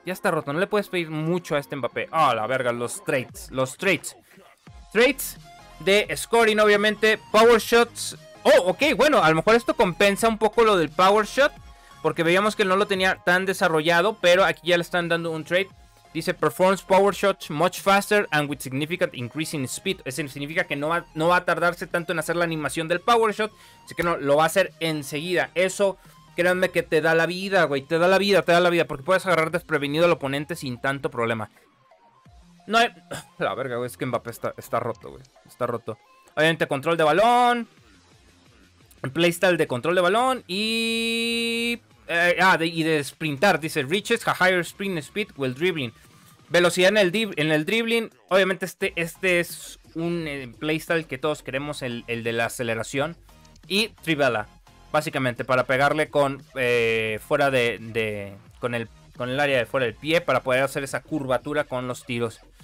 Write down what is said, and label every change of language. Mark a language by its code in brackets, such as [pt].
[es] Ya está roto. No le puedes pedir mucho a este Mbappé. Ah, la verga, los traits. Traits de scoring, obviamente. Power shots. Oh, ok, bueno, a lo mejor esto compensa un poco lo del power shot. Porque veíamos que no lo tenía tan desarrollado. Pero aquí ya le están dando un trait. Dice, [en] performs power shots much faster and with significant increase in speed. [es] Eso significa que no va a tardarse tanto en hacer la animación del power shot. Así que no, lo va a hacer enseguida. Eso, créanme que te da la vida, güey. Te da la vida. Porque puedes agarrar desprevenido al oponente sin tanto problema. No hay. La verga, güey. Es que Mbappé está roto, güey. Está roto. Obviamente, control de balón. Playstyle de control de balón. Y. De sprintar, dice, [en] reaches a higher sprint speed while dribbling. [es] Velocidad en el dribbling. Obviamente este es un playstyle que todos queremos, el de la aceleración. Y tribala, básicamente, para pegarle con fuera de con el área de fuera del pie, para poder hacer esa curvatura con los tiros.